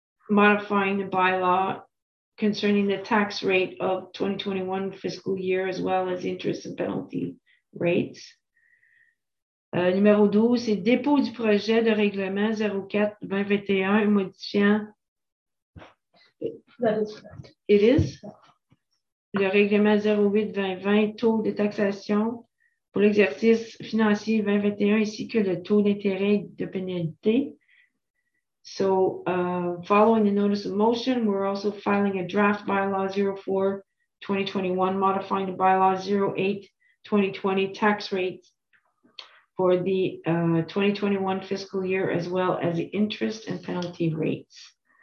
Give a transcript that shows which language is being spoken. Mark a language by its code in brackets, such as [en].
[en] Modifying the bylaw concerning the tax rate of 2021 fiscal year as well as interest and penalty rates. [fr] Numéro 12, c'est dépôt du projet de règlement 04-2021 modifiant. [en] That is correct. It is? [fr] Le règlement 08-2020, taux de taxation pour l'exercice financier 2021 ainsi que le taux d'intérêt de pénalité. [en] So, following the notice of motion, we're also filing a draft bylaw 04-2021 modifying the bylaw 08-2020 tax rates for the 2021 fiscal year, as well as the interest and penalty rates.